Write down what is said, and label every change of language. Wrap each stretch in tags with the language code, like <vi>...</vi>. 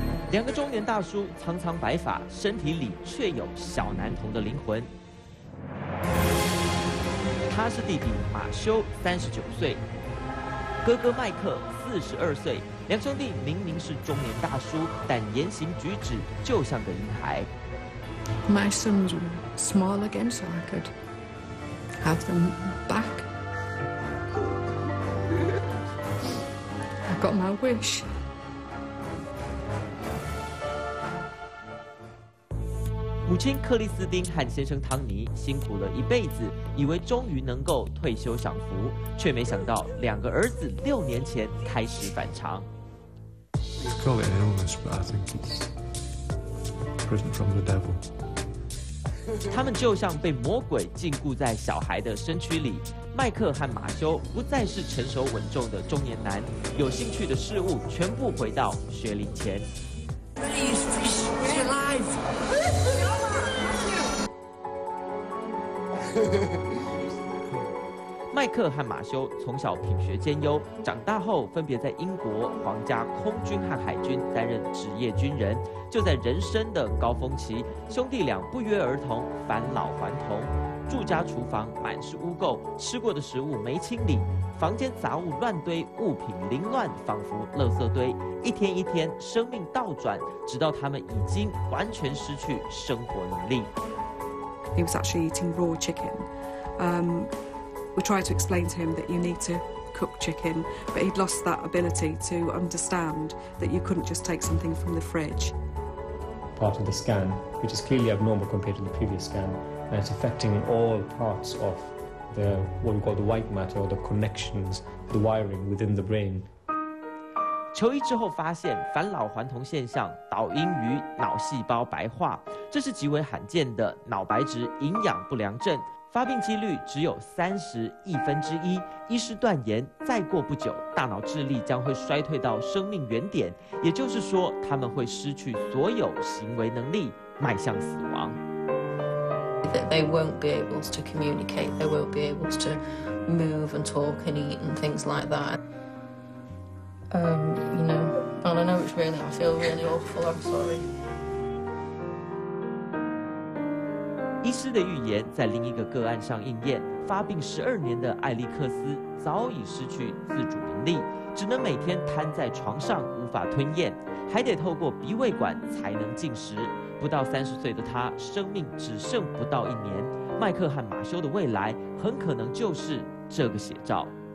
<zh>两个中年大叔，苍苍白发，身体里却有小男童的灵魂。他是弟弟马修，39岁，哥哥麦克42岁。两兄弟明明是中年大叔，但言行举止就像个婴孩。</zh> <en>My son's small again, so I could have them back. I got my wish.</en> <zh>母亲克里斯丁和先生汤尼辛苦了一辈子，以为终于能够退休享福，却没想到两个儿子6年前开始反常。</zh> <en>It's called an illness, but I think it's present from the devil.</en> <zh>他们就像被魔鬼禁锢在小孩的身躯里。麦克和马修不再是成熟稳重的中年男，有兴趣的事物全部回到学龄前。</zh> <en>Please, please, you're alive.</en> <zh>麦克和马修从小品学兼优，长大后分别在英国皇家空军和海军担任职业军人。就在人生的高峰期，兄弟俩不约而同返老还童。住家厨房满是污垢，吃过的食物没清理，房间杂物乱堆，物品凌乱，仿佛垃圾堆。一天一天，生命倒转，直到他们已经完全失去生活能力。</zh> <en>He was actually eating raw chicken. We tried to explain to him that you need to cook chicken, but he'd lost that ability to understand that you couldn't just take something from the fridge. Part of the scan, which is clearly abnormal compared to the previous scan, and it's affecting all parts of the, what we call the white matter or the connections, the wiring within the brain.</en> <zh>求医之后发现返老还童现象导因于脑细胞白化，这是极为罕见的脑白质营养不良症，发病几率只有30/1000。医师断言再过不久大脑智力将会衰退到生命原点，也就是说他们会失去所有行为能力，迈向死亡。</zh> <en>They won't be able to communicate, they won't be able to move and talk and eat and things like that. You know, I don't know, it's really, I feel really awful, I'm sorry.</en> <zh>医师的预言在另一个个案上应验，发病12年的艾利克斯早已失去自主能力，只能每天瘫在床上无法吞咽，还得透过鼻胃管才能进食。不到30岁的他，生命只剩不到1年，麦克和马修的未来很可能就是这个写照。</zh>